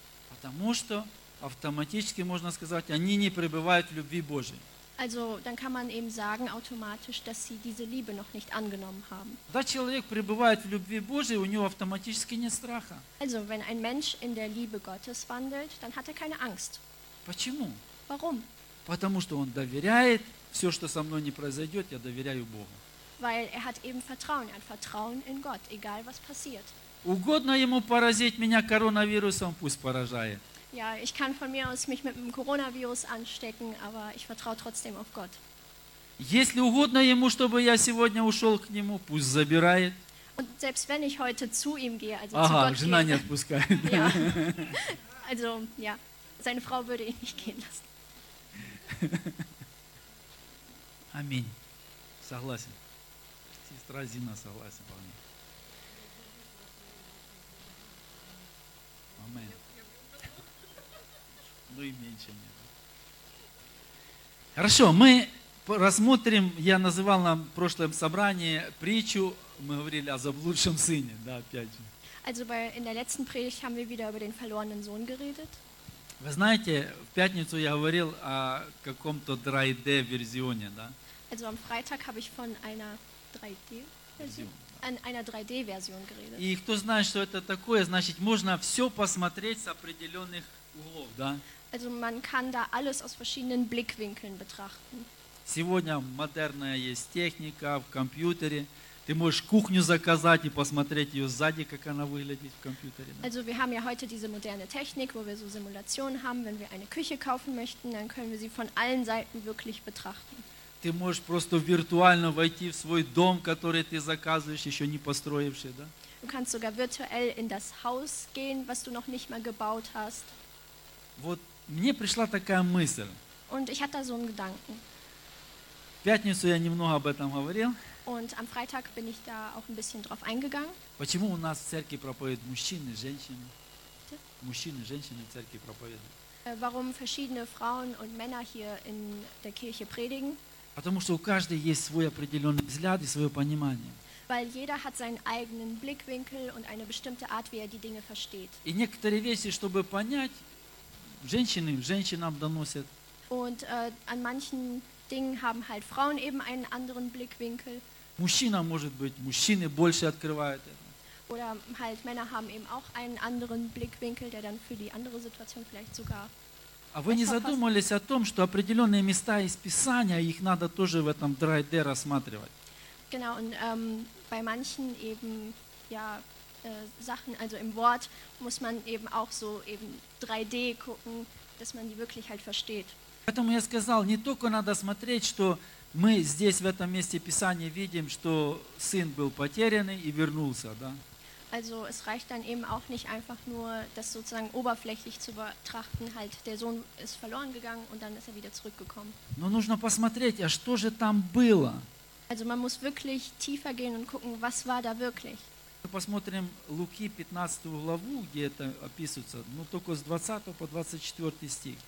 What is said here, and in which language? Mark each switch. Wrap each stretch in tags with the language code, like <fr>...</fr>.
<ru>Потому что автоматически можно сказать, они не пребывают в любви Божьей.</ru> <de>Also, dann kann man eben sagen automatisch, dass sie diese Liebe noch nicht angenommen haben.</de> <ru>Когда человек пребывает в любви Божьей, у него автоматически нет страха.</ru> <de>Also, wenn ein Mensch in der Liebe Gottes wandelt, dann hat er keine Angst.</de> <ru>Почему?</ru> <de>Warum?</de> <ru>Потому что он доверяет, все, что со мной не произойдет, я доверяю Богу.</ru> <de>Weil er hat eben Vertrauen, ein Vertrauen in Gott, egal was passiert.</de> <ru>Угодно ему поразить меня коронавирусом, пусть поражает.</ru> <de>Ja, ich kann von mir aus mich mit dem Coronavirus anstecken, aber ich vertraue trotzdem auf Gott.</de> <ru>Если угодно ему, чтобы я сегодня ушел к нему, пусть забирает.</ru> <de>Und selbst wenn ich heute zu ihm gehe, also</de> <ru>ага,</ru> <de>zu Gott</de> <ru>жена</ru> <de>gehe,</de> <ru>не отпускает.</ru> <de>Ja. Also, ja, seine Frau würde ihn nicht gehen lassen.</de> <ru>Аминь. Согласен. Сестра Зина согласен. Аминь. Ну и меньше нет. Хорошо, мы рассмотрим, я называл на прошлом собрании притчу, мы говорили о заблудшем сыне, да, опять же.</ru> <de>Also, in der letzten Predigt haben wir wieder über den verlorenen Sohn geredet.</de> <ru>Вы знаете, в пятницу я говорил о каком-то 3D-версионе, да?</ru> <de>Also, am Freitag habe ich von einer 3D-Version. An einer 3D-Version geredet.</de> <ru>И кто знает, что это такое, значит, можно все посмотреть с определенных углов, да?</ru> <de>Also man kann da alles aus verschiedenen Blickwinkeln betrachten.</de> <ru>Сегодня модерная есть техника в компьютере. Ты можешь кухню заказать и посмотреть ее сзади, как она выглядит в компьютере. Да?</ru> <de>Also wir haben ja heute diese moderne Technik, wo wir so Simulationen haben. Wenn wir eine Küche kaufen möchten, dann können wir sie von allen Seiten wirklich betrachten.</de> <ru>Ты можешь просто виртуально войти в свой дом, который ты заказываешь, еще не построивший, да?</ru> <de>Du kannst sogar virtuell in das Haus gehen, was du noch nicht mal gebaut hast.</de> <ru>Вот мне пришла такая мысль.</ru> <de>Und ich hatte so einen Gedanken.</de> <ru>В пятницу я немного об этом говорил.</ru> <de>Und am Freitag bin ich da auch ein bisschen drauf eingegangen.</de> <ru>Почему у нас в церкви проповедуют мужчины, женщины? Мужчины, женщины в церкви проповедуют.</ru> <de>Warum verschiedene Frauen und Männer hier in der Kirche predigen?</de> <ru>Потому что у каждой есть свой определенный взгляд и свое понимание.</ru> <de>Weil jeder hat seinen eigenen Blickwinkel und eine bestimmte Art, wie er die Dinge versteht.</de> <ru>И некоторые вещи, чтобы понять, женщины женщинам доносят.</ru> <de>Und an manchen Dingen haben halt Frauen eben einen anderen Blickwinkel.</de> <ru>Мужчина, может быть, мужчины больше открывают это.</ru> <de>Oder halt Männer haben eben auch einen anderen Blickwinkel, der dann für die andere Situation vielleicht sogar.</de> <ru>А вы не задумывались о том, что определенные места из Писания, их надо тоже в этом 3D рассматривать?</ru> <de>Genau, und bei manchen eben, ja, Sachen, also im Wort, muss man eben auch so eben 3D gucken, dass man die wirklich halt versteht.</de> <ru>Поэтому я сказал, не только надо смотреть, что мы здесь в этом месте Писания видим, что сын был потерянный и вернулся, да?</ru> <de>Also es reicht dann eben auch nicht einfach nur, das sozusagen oberflächlich zu betrachten, halt der Sohn ist verloren gegangen und dann ist er wieder zurückgekommen.</de> <ru>Но нужно посмотреть, а что же там было?</ru> <de>Also man muss wirklich tiefer gehen und gucken, was war da wirklich?</de> <ru>Мы посмотрим Луки 15 главу, где это описывается, но только с 20 по 24 стих.</ru>